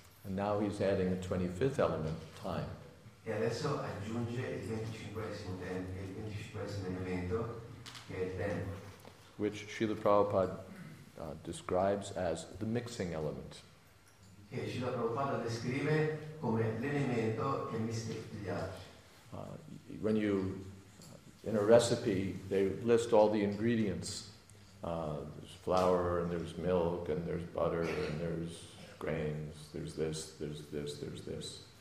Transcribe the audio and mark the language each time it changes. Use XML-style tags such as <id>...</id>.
<en>And now he's adding a 25th element, time.</en> <it>E adesso aggiunge il 25esimo elemento, che è il tempo.</it> <en>Which Srila Prabhupada describes as the mixing element.</en> <it>Che Srila Prabhupada descrive come l'elemento che mischia tutti gli altri.</it> <en>When you, in a recipe, they list all the ingredients. There's flour, and there's milk, and there's butter, and there's grains, there's this, there's this, there's this.</en>